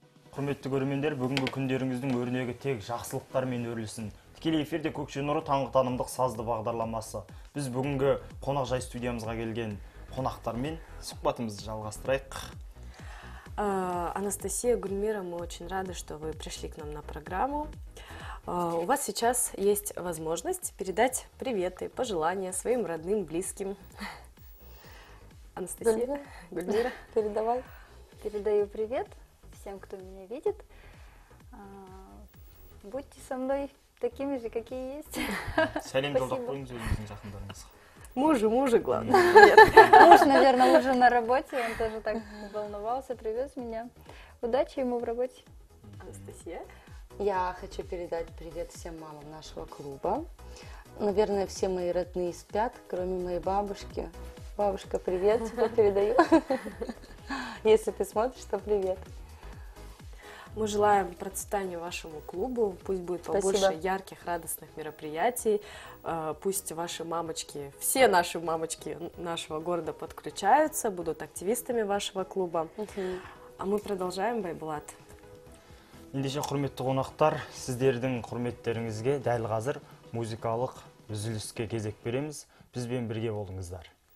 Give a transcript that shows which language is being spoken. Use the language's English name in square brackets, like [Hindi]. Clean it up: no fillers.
[Kazakh] Құрметті көрермендер, бүгінгі күндеріңіздің өрнегі тек жақсылықтармен өрілсін. Тікелей эфирде Көкше Нұры таңғы танымдық сазды бағдарламасы. Біз бүгінгі қонақ жай студиямызға келген қонақтармен сұхбатымызды жалғастырайық. [Russian] Анастасия, Гульмира, мы очень рады, что вы пришли к нам на программу. У вас сейчас есть возможность передать приветы, пожелания своим родным, близким. Анастасия, Гульмира, передавай. Передаю привет всем, кто меня видит, будьте со мной такими же, какие есть. [Kazakh] Сәлем жолдап қойыңыз өзіңіздің жақындарыңызға. [Russian] Мужу, главное. Муж, наверное, уже на работе, он тоже так волновался, привез меня. Удачи ему в работе. Анастасия? Я хочу передать привет всем мамам нашего клуба. Наверное, все мои родные спят, кроме моей бабушки. Бабушка, привет, тебе передаю. Если ты смотришь, то привет. Мы желаем процветания вашему клубу, пусть будет побольше спасибо. Ярких, радостных мероприятий, пусть ваши мамочки, все наши мамочки нашего города подключаются, будут активистами вашего клуба. А мы продолжаем, Байбулат. [Kazakh] Ендеше, құрметті қонақтар, сіздердің құрметтеріңізге дәл қазір музыкалық үзіліске кезек береміз. Бізбен бірге болыңыздар.